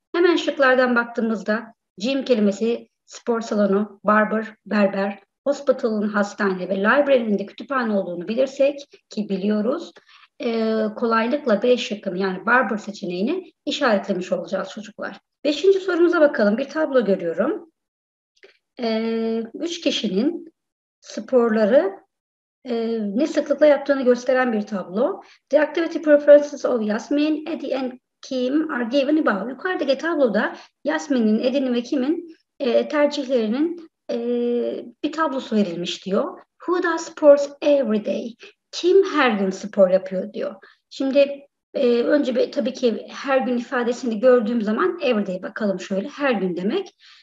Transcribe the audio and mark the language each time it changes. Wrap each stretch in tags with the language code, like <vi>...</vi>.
<tr>Hemen şıklardan baktığımızda gym kelimesi, spor salonu, barber, berber, hospital'ın hastane ve library'nin de kütüphane olduğunu bilirsek ki biliyoruz, kolaylıkla B şıkkını yani barber seçeneğini işaretlemiş olacağız çocuklar. Beşinci sorumuza bakalım. Bir tablo görüyorum. Üç kişinin sporları ne sıklıkla yaptığını gösteren bir tablo.</tr> <en>The activity preferences of Yasmin, Eddie and Kim are given above.</en> <tr>Yukarıdaki tabloda Yasmin'in, Eddie'nin ve Kim'in tercihlerinin bir tablosu verilmiş diyor.</tr> <en>Who does sports every day?</en> <tr>Kim her gün spor yapıyor diyor. Şimdi önce bir, tabii ki her gün ifadesini gördüğüm zaman every day bakalım şöyle her gün demek.</tr>